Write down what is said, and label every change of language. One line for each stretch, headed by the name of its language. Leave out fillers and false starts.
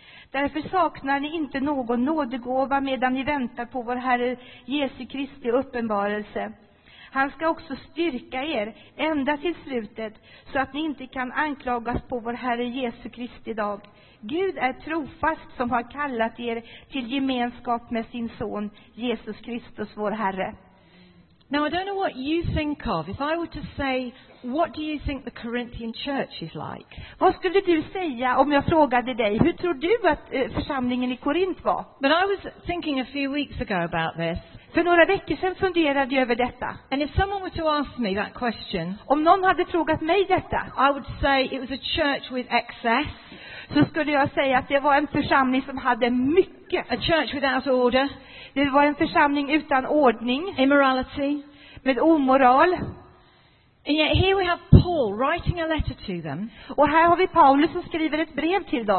Swedish: Därför saknar ni inte någon nådegåva medan ni väntar på vår Herre Jesu Kristi uppenbarelse. Han ska också styrka er ända till slutet, så att ni inte kan anklagas på vår Herre Jesu Kristi dag. Gud är trofast som har kallat er till gemenskap med sin son Jesus Kristus, vår Herre.
English: Now I don't know what you think of. If I were to say, what do you think the Corinthian church is like?
Swedish: Vad skulle du säga om jag frågade dig? Hur tror du att församlingen i Korint var?
English: But I was thinking a few weeks ago about this.
Swedish: För några veckor sedan funderade jag över detta.
English: And if someone were to ask me that question,
Swedish: om någon hade frågat mig detta,
English: I would say it was a church with excess.
Swedish: Så skulle jag säga att det var en församling som hade mycket.
English: A church without order.
Swedish: Det var en församling utan ordning.
English: Immorality.
Swedish: Med omoral.
English: And yet here we have Paul writing a letter to them.
Swedish: Och här har vi Paulus som skriver ett brev till dem.